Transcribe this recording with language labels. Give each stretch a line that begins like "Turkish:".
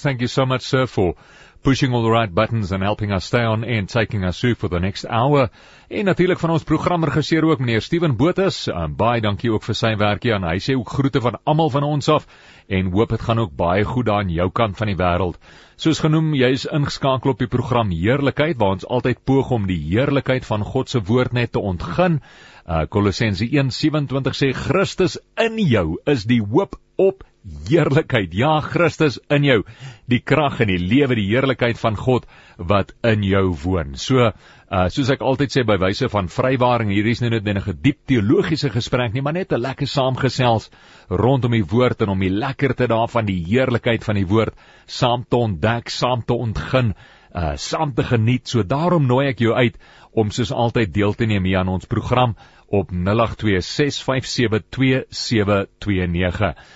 English: Thank you so much, sir, for pushing all the right buttons and helping us stay on and taking us through for the next hour.
Afrikaans: En natuurlik van ons programregisseur ook, meneer Steven Botus. Baie dankie ook vir sy werkie, en hy sê ook groete van almal van ons af, en hoop het gaan ook baie goed aan jou kant van die wêreld. Soos genoem, jy is ingeskakel op die program Heerlikheid, waar ons altyd poog om die heerlikheid van God se woord net te ontgin. Kolossense 1:27 sê, Christus in jou is die hoop op heerlikheid. Ja, Christus in jou, die krag en die lewe, die heerlikheid van God wat in jou woon. So, soos ek altyd sê, by wyse van vrywaring, hier is nie net 'n diep teologiese gesprek nie, maar net 'n lekker saamgesels rondom die woord, en om die lekkerte daarvan, die heerlikheid van die woord, saam te ontdek, saam te ontgin, saam te geniet. So daarom nooi ek jou uit om soos altyd deel te neem hier aan ons program op 0826572729.